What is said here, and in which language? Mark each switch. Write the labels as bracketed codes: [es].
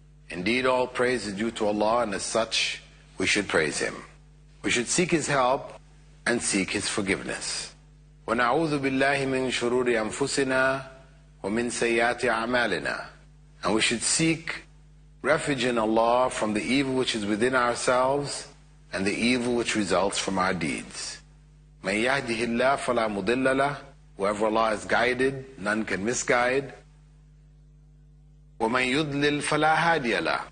[en] Indeed, all praise is due to Allah, and as such, we should praise Him. We should seek His help and seek His forgiveness. [ar] ونعوذ بالله من شرور أنفسنا ومن سيئات أعمالنا. [en] And we should seek refuge in Allah from the evil which is within ourselves and the evil which results from our deeds. [ar] من يهده الله فلا مضل له. [en] Whoever Allah has guided, none can misguide. [ar] وَمَنْ يُضْلِلْ فَلَا هَادِيَ لَهُ.